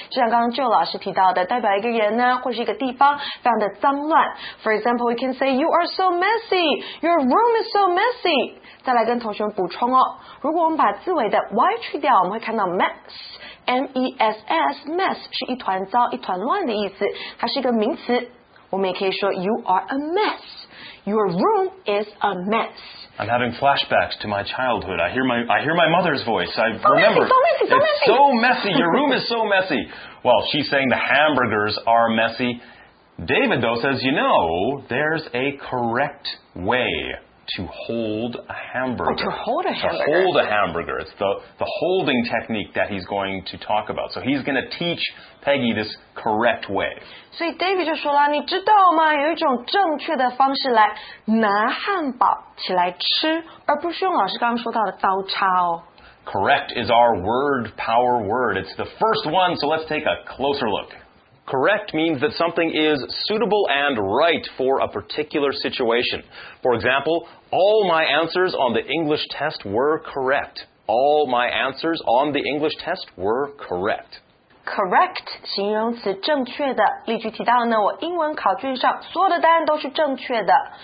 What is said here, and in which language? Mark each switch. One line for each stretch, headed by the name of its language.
Chinese: 就像刚刚 Joe 老师提到的，代表一个人呢，或是一个地方非常的脏乱。
English: For example, we can say, you are so messy. Your room is so messy.
Chinese: 再来跟同学们补充哦，如果我们把字尾的 y 去掉，我们会看到 mess。 M-E-S-S, mess, 是一团糟一团乱的意思，它是一个名词。我们也可以说
English: you are a mess. Your room is a mess. I'm having flashbacks to my childhood. I hear my mother's voice. I remember. So messy. Your room is so messy. Well, she's saying the hamburgers are messy. David, though, says, you know, there's a correct way to hold a hamburger. To hold a hamburger. It's the holding technique that he's going to talk about. So he's going to teach Peggy this correct way.
Chinese: 所以 David 就说了，你知道吗？有一种正确的方式来拿汉堡起来吃，而不是用老师刚刚说到的刀叉哦。
English: Correct is our word power word. It's the first one, so let's take a closer look. Correct means that something is suitable and right for a particular situation. For example, all my answers on the English test were correct. All my answers on the English test were correct.
Chinese: Correct, 形容词正确的。例句提到呢，我英文考卷上所有的答案都是正确的。